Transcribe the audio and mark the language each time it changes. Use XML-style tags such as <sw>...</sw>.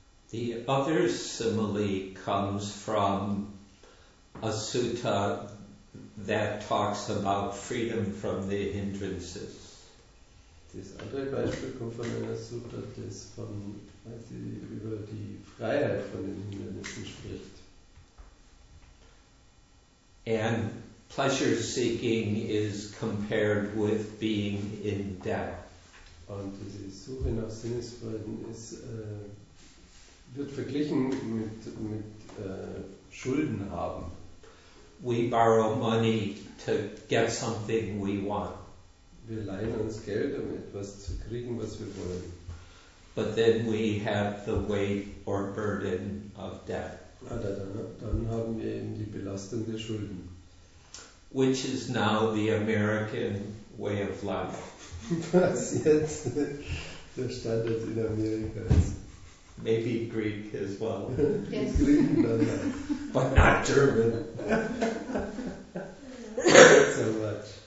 <en>The other simile comes from a sutta that talks about freedom from the hindrances.</en> <de>Das andere Beispiel kommt von einer Sutta, das von also über die Freiheit von den Hindernissen spricht.</de> <en>And pleasure seeking is compared with being in debt.</en> <de>Und diese Suche nach Sinnesfreuden ist, wird verglichen mit Schulden haben.</de> <en>We borrow money to get something we want.</en> <de>Wir leihen uns Geld, um etwas zu kriegen, was wir wollen.</de> <en>But then we have the weight or burden of debt.</en> <de>Dann haben wir eben die Belastung der Schulden.</de> <en>Which is now the American way of life.</en> <de>Was jetzt der Standard in Amerika ist.</de> <en>Maybe Greek as well. Yes. But not German. Not so much.</en>